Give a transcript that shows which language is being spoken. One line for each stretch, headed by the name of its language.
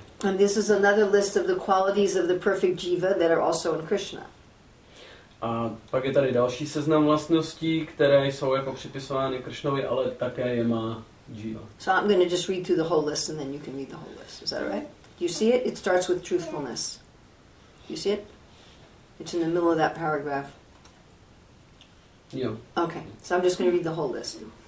English: And this is another list of the qualities of the perfect jiva that are also in Krishna.
Czech: A pak je tady další seznam vlastností, které jsou jako připisovány Krishnovi, ale také je má jiva.
English: So I'm going to just read through the whole list, and then you can read the whole list. Is that all right? Do you see it? It starts with truthfulness. Do you see it? It's in the middle of that paragraph. Yeah. Okay, so I'm just going to read the whole list.